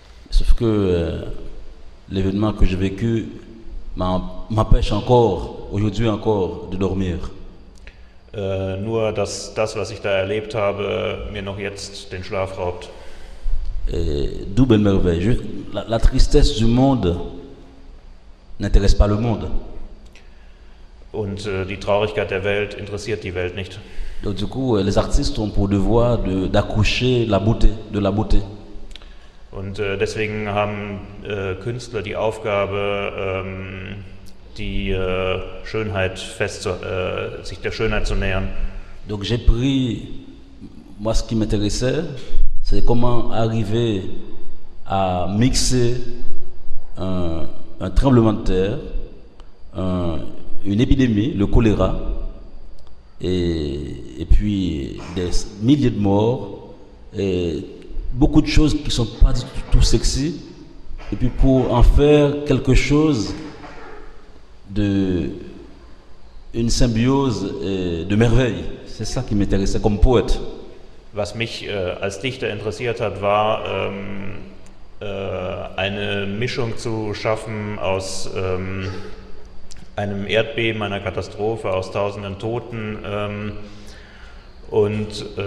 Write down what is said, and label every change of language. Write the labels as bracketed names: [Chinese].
[French] Sauf que l'événement que j'ai vécu m'empêche encore, aujourd'hui encore, de dormir. [German] Nur dass das, was ich da erlebt habe, mir noch jetzt den Schlaf raubt. [French] Double merveille. La tristesse du monde n'intéresse pas le monde. [German] Und die Traurigkeit der Welt interessiert die Welt nicht. [French] Donc, du coup, les artistes ont pour devoir d'accoucher la beauté, de la beauté. [German] Und deswegen haben Künstler die Aufgabe, sich der Schönheit zu nähern. [French] Donc j'ai pris moi ce qui m'intéressait. C'est comment arriver à mixer un tremblement de terre, une épidémie, le choléra, et puis des milliers de morts, et beaucoup de choses qui ne sont pas du tout sexy, et puis pour en faire quelque chose d'une symbiose et de merveille. C'est ça qui m'intéressait comme poète. [German] Was mich als Dichter interessiert hat, war eine Mischung zu schaffen aus einem Erdbeben, einer Katastrophe, aus tausenden Toten und